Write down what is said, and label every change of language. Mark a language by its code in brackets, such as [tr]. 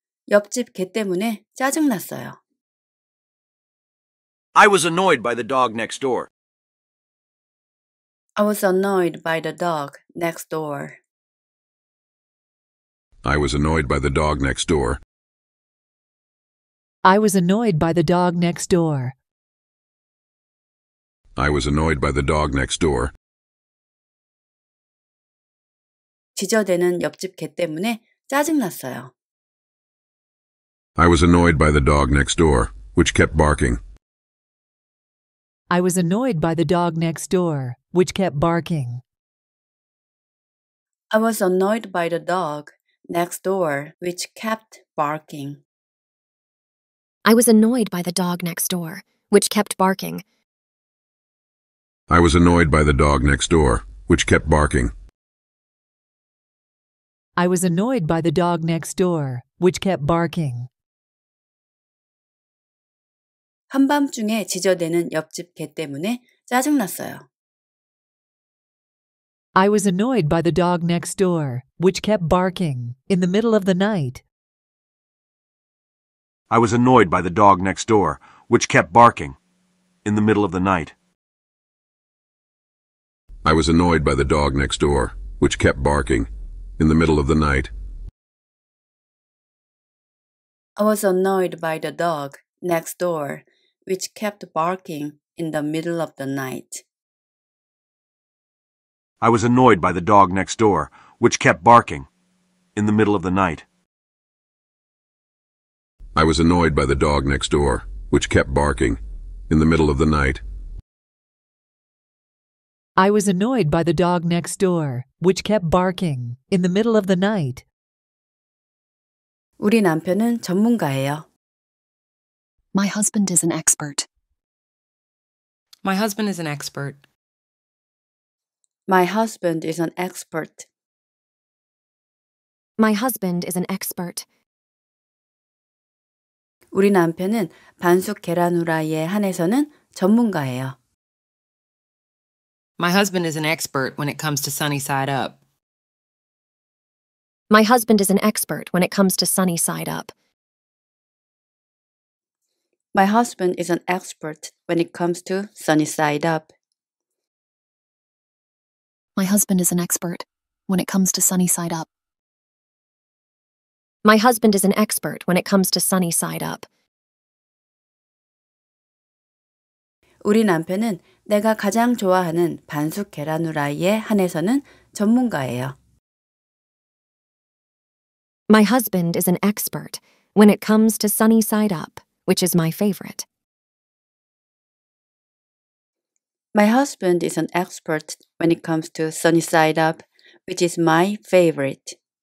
[ko] 옆집 개 때문에 짜증났어요. [en] I was annoyed by the dog next door. I was annoyed by the dog next door. I was annoyed by the dog next door. I was annoyed by the dog next door. I was annoyed by the dog next door. [ko] 지저대는 옆집 개 때문에 짜증났어요. [en] I was annoyed by the dog next door, which kept barking. I was annoyed by the dog next door, which kept barking. I was annoyed by the dog next door, which kept barking. I was annoyed by the dog next door, which kept barking. I was annoyed by the dog next door, which kept barking. I was annoyed by the dog next door, which kept barking. [ko] 한밤중에 지저대는 옆집 개 때문에 짜증났어요. [en] I was annoyed by the dog next door, which kept barking in the middle of the night. I was annoyed by the dog next door, which kept barking in the middle of the night. I was annoyed by the dog next door, which kept barking in the middle of the night. I was annoyed by the dog next door, which kept barking in the middle of the night. I was annoyed by the dog next door, which kept barking in the middle of the night. I was annoyed by the dog next door, which kept barking in the middle of the night. I was annoyed by the dog next door, which kept barking in the middle of the night. [ko] 우리 남편은 전문가예요. [en] My husband is an expert. My husband is an expert. My husband is an expert. My husband is an expert. [ko] 우리 남편은 반숙 계란 후라이에 한해서는 전문가예요. [en] My husband is an expert when it comes to sunny side up. My husband is an expert when it comes to sunny side up. My husband is an expert when it comes to sunny side up. My husband is an expert when it comes to sunny side up. My husband is an expert when it comes to sunny side up. [ko] 우리 남편은 내가 가장 좋아하는 반숙 계란 후라이에 한해서는 전문가예요. [en] My husband is an expert when it comes to sunny side up, which is my favorite. My husband is an expert when it comes to sunny side up, which is my favorite.